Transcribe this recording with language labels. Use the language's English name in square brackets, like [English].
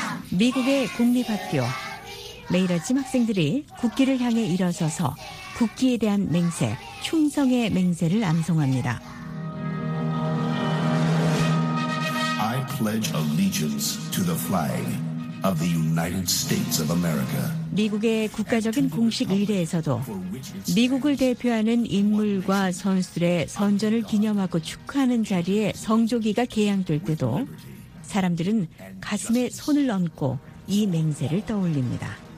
[Korean] 미국의 공립학교. 매일 아침 학생들이 국기를 향해 일어서서 국기에 대한 맹세, 충성의 맹세를 암송합니다. [English] I pledge allegiance to the flag of the United States of America. [Korean] 미국의 국가적인 공식 의례에서도 미국을 대표하는 인물과 선수들의 선전을 기념하고 축하하는 자리에 성조기가 개양될 때도 사람들은 가슴에 손을 얹고 이 맹세를 떠올립니다.